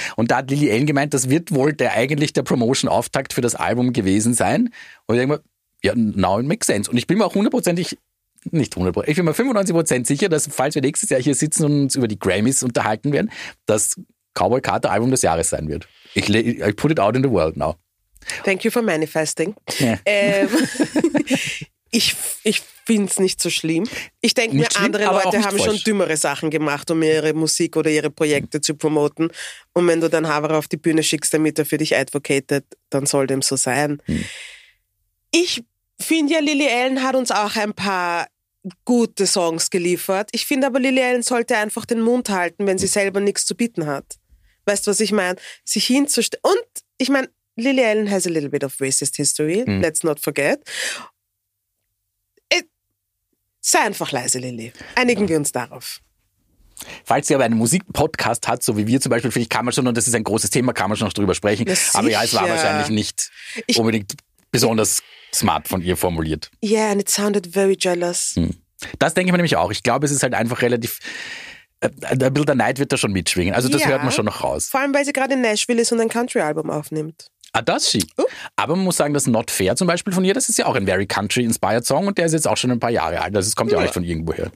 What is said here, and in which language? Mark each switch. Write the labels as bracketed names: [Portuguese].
[German] Und da hat Lily Allen gemeint, das wird wohl der Promotion-Auftakt für das Album gewesen sein. Und ich denke mir, ja, [English] now it makes sense. [German] Und ich bin mir auch ich bin mir 95% sicher, dass, falls wir nächstes Jahr hier sitzen und uns über die Grammys unterhalten werden, dass Cowboy Carter Album des Jahres sein wird. [English] I put it out in the world now. Thank you for manifesting. Yeah. [German] ich finde es nicht so schlimm. Ich denke mir, schlimm, andere Leute haben falsch. Schon dümmere Sachen gemacht, um ihre Musik oder ihre Projekte zu promoten. Und wenn du dann Havara auf die Bühne schickst, damit er für dich advocated, dann soll dem so sein. Ich finde ja, Lily Allen hat uns auch ein paar gute Songs geliefert. Ich finde aber, Lily Allen sollte einfach den Mund halten, wenn sie selber nichts zu bieten hat. Weißt du, was ich meine? Sich hinzustellen. Und ich meine, [English] Lily Allen has a little bit of racist history. Mm. Let's not forget. [German] Sei einfach leise, Lily. Einigen wir uns darauf. Falls sie aber einen Musikpodcast hat, so wie wir zum Beispiel, vielleicht kann man schon, und das ist ein großes Thema, kann man schon noch drüber sprechen. Aber ja, es war wahrscheinlich nicht unbedingt besonders smart von ihr formuliert. [English] Yeah, and it sounded very jealous. [German] Das denke ich mir nämlich auch. Ich glaube, es ist halt einfach relativ, ein bisschen der Neid wird da schon mitschwingen. Also das hört man schon noch raus. Vor allem, weil sie gerade in Nashville ist und ein Country-Album aufnimmt. Ah, das schick. Aber man muss sagen, das Not Fair zum Beispiel von ihr, das ist ja auch ein very country-inspired Song und der ist jetzt auch schon ein paar Jahre alt. Also es kommt ja auch nicht von irgendwo her.